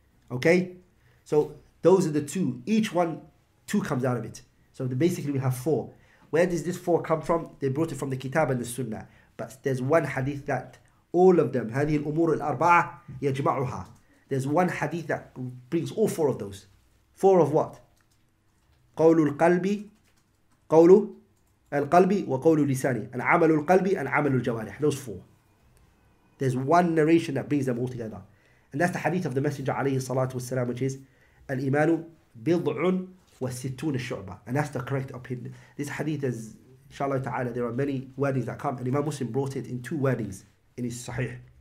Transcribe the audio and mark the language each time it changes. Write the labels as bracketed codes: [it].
[en] Okay? So those are the two. Each one, two comes out of it. So basically we have four. Where does this four come from? They brought it from the Kitab and the Sunnah. But there's one hadith that all of them, [ar] هذه الأمور الأربعة يجمعها. [en] There's one hadith that brings all four of those. Four of what? [ar] قول القلب قول القلب وقول اللسان العمل القلب and عمل الجوارح. [en] Those four. There's one narration that brings them all together. And that's the hadith of the Messenger عليه الصلاة والسلام, which is [ar] الإيمان بضع وستون الشعبة. [en] And that's the correct opinion. This hadith is, inshallah ta'ala, there are many wordings that come. And Imam Muslim brought it in two wordings in his Sahih.